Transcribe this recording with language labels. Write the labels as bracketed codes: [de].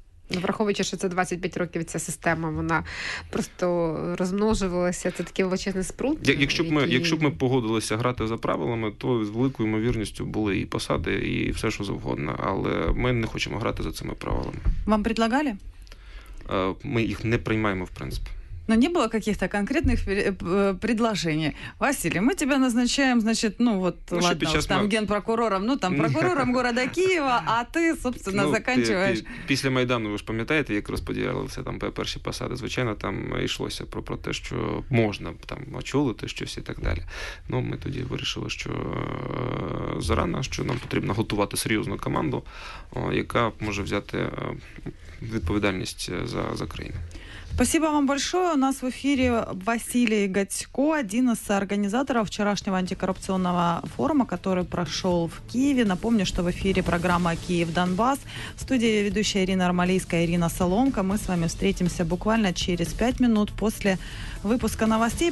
[uk] Враховуючи, що це 25 років ця система, вона просто розмножувалася, це такий величезний спрут. Якщо б ми погодилися грати за правилами, то з великою ймовірністю були і посади, і все, що завгодно. Але ми не хочемо грати за цими правилами. [ru] Вам предлагали? [uk] Ми їх не приймаємо, в принципі. [ru] Но не было каких-то конкретных предложений. Василий, мы тебя назначаем, значит, ну вот, ну, ладно, вот, там генпрокурором, ну там прокурором города Киева, а ты, собственно, ну, заканчиваешь. [uk] Після Майдану, вы же пам'ятаєте, як розподілялися там перші посади, звичайно, там йшлося про те, що можна там очолити щось і так далі. Ну, ми тоді вирішили, що зарано, що нам потрібно готувати серйозну команду, яка може взяти відповідальність за країну. [ru] Спасибо вам большое. У нас в эфире Василий Гатько, один из соорганизаторов вчерашнего антикоррупционного форума, который прошел в Киеве. Напомню, что в эфире программа «Киев-Донбасс». В студии ведущая Ирина Армалийская, Ирина Соломко. Мы с вами встретимся буквально через 5 минут после выпуска новостей.